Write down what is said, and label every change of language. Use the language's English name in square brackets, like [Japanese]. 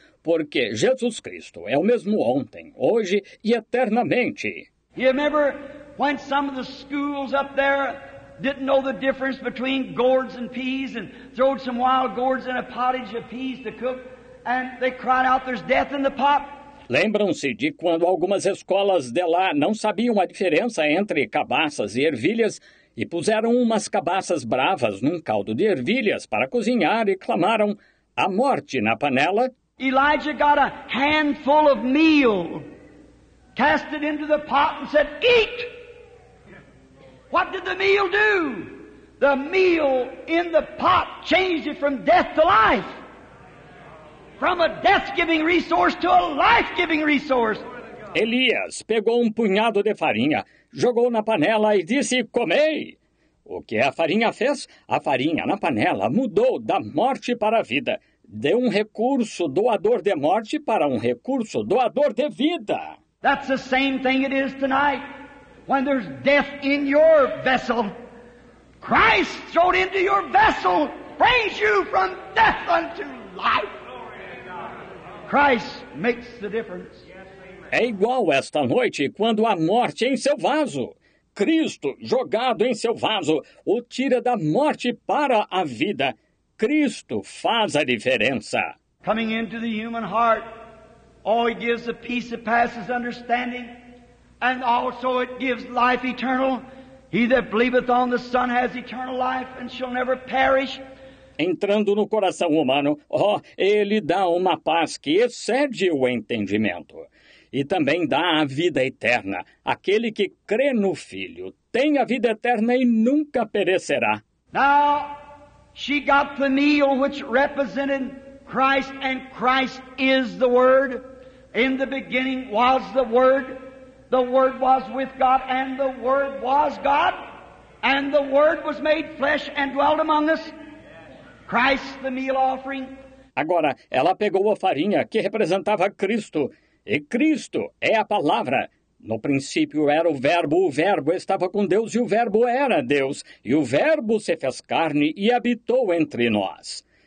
[Portuguese] Porque Jesus Cristo é o mesmo ontem, hoje e eternamente. [English] You remember when some of the schools up there didn't know the difference between gourds and peas and throwed some wild gourds in a pottage of peas to cook and they cried out, "There's death in the pot." [Portuguese] Lembram-se de quando algumas escolas de lá não sabiam a diferença entre cabaças e ervilhas e puseram umas cabaças bravas num caldo de ervilhas para cozinhar e clamaram a morte na panela? [English] Elijah got a handful of meal, cast it into the pot and said, "Eat!" What did the meal do? The meal in the pot changed it from death to life. From a death-giving resource to a life-giving resource. [Portuguese] Elias pegou um punhado de farinha, jogou na panela e disse, "Comei!" O que a farinha fez? A farinha na panela mudou da morte para a vida. Deu um recurso doador de morte para um recurso doador de vida. [English] That's the same thing it is tonight. When there's death in your vessel, Christ thrown into your vessel brings you from death unto life. Christ makes the difference. [Portuguese] É igual esta noite quando a morte em seu vaso. Cristo, jogado em seu vaso, o tira da morte para a vida. Cristo faz a diferença. [English] Coming into the human heart, oh, he gives a peace that passes understanding. And also it gives life eternal. He that believeth on the Son has eternal life and shall never perish. [Portuguese] Entrando no coração humano, oh, ele dá uma paz que excede o entendimento. E também dá a vida eterna. Aquele que crê no Filho tem a vida eterna e nunca perecerá. [English] Now, she got the meal which represented Christ, and Christ is the Word. In the beginning was the Word. The Word was with God, and the Word was God, and the Word was made flesh and dwelt among us. Christ, the meal offering. [Portuguese] Agora, ela pegou a farinha que representava Cristo, e Cristo é a palavra. No princípio era o Verbo estava com Deus, e o Verbo era Deus, e o Verbo se fez carne e habitou entre nós.